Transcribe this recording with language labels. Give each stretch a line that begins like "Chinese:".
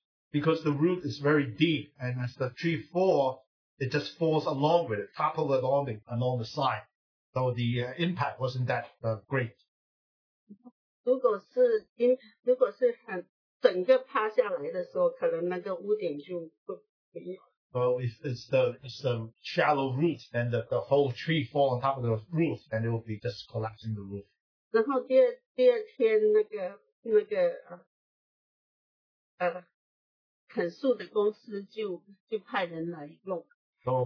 English: Because the root is very deep, and as the tree falls, it just falls along with it, topple along the side. So the impact wasn't that great.
Chinese: 如果是整个趴下来的时候，可能那个屋顶就不一样。
English: Well, if it's the shallow root, then the whole tree falls on top of the roof, and it will be just collapsing the roof.
Chinese: 砍树的公司就派人来弄。
English: So